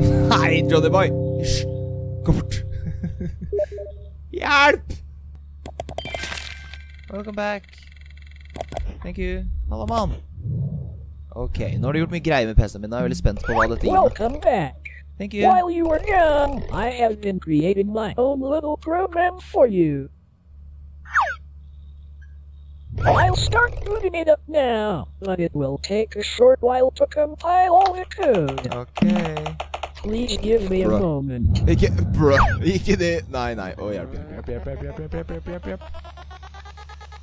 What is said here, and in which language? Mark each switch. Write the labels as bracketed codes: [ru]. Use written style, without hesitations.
[no] Hei, Johnny Boy! Hysj! Gå bort! Hjelp! [en] Welcome back! Thank you! [no] Hallo, mann! Ok, nå har du gjort mye greie med PC-en min, da er jeg veldig spent på hva dette gir. [en] Welcome back! Thank you! While you were gone, I have been creating my own little program for you. I'll start booting it up now, but it will take a short while to compile all the code. [no] Ok. [en] Please give me a moment. [no] Ikke, ikke det, nei, nei, å hjelp, hjelp, hjelp, hjelp, hjelp, hjelp, hjelp, hjelp, hjelp, hjelp, hjelp.